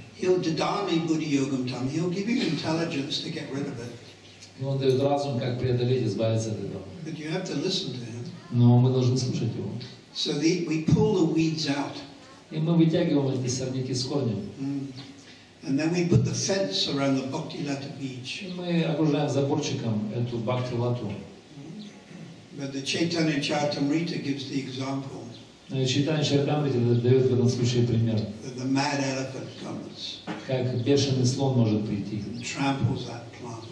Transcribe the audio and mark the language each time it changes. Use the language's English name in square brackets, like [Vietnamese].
[English] He'll [Sanskrit] dadami buddhi yogam tam. [English] He'll give you intelligence to get rid of it. [Russian] Но ты разум как преодолеть, избавиться от этого. [English] But you have to listen to him. [Russian] Но мы должны слушать его. [English] So the, we pull the weeds out. [Russian] И мы вытягиваем эти сорняки с корнем. [English] And then we put the fence around the Bhakti Lata beach. [Russian] Мы окружаем заборчиком эту Бхакти Лату. [English] But the Chaitanya Charitamrita gives the example. [Russian] Чайтанья Чаритамрита дает в этом случае пример. [English] That the mad elephant comes. [Russian] Как бешеный слон может прийти. [English] And tramples that plant.